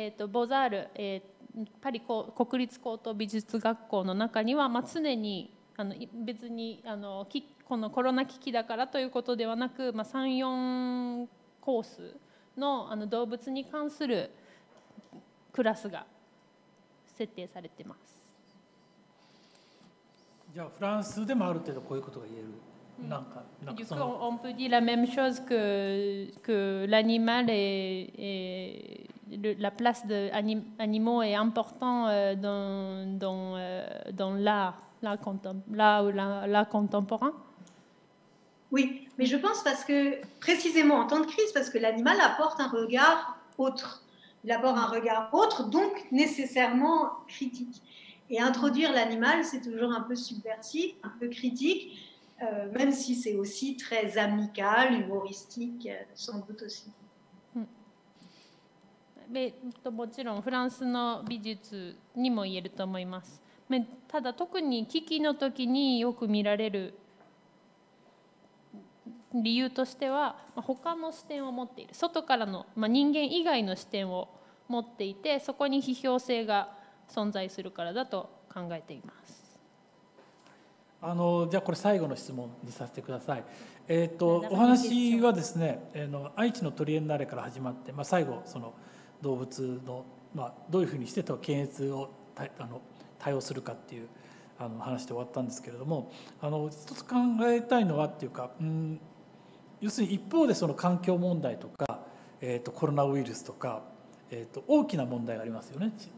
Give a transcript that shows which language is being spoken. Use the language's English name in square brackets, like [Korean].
[Japanese] ボザール、パリ国立高等美術学校の中には、常に別にこのコロナ危機だからということではなく、3、4コースの動物に関するクラスが設定されてます。じゃあフランスでもある程度こういうことが言える、 [French] on peut dire la même chose que l'animal et la place des animaux est importante dans l'art contemporain. Oui, mais je pense parce que précisément en temps de crise, parce que l'animal apporte un regard autre. Il apporte un regard autre, donc nécessairement critique. Et introduire l'animal, c'est toujours un peu subversif, un peu critique, même si c'est aussi très amical, humoristique, sans doute aussi. Mais, bien sûr, en France, le art de la France peut aussi être dit. Mais, surtout, en crise, il y a beaucoup de raisons. [Japanese] 理由としては他の視点を持っている、外からの、人間以外の視点を持っていて、そこに批評性が存在するからだと考えています。じゃあこれ最後の質問にさせてください。お話はですね、愛知のトリエンナーレから始まって、最後その動物の、どういうふうにしてと検閲を対応するかっていう話で終わったんですけれども、一つ考えたいのはっていうか、要するに一方でその環境問題とか、コロナウイルスとか、大きな問題がありますよね。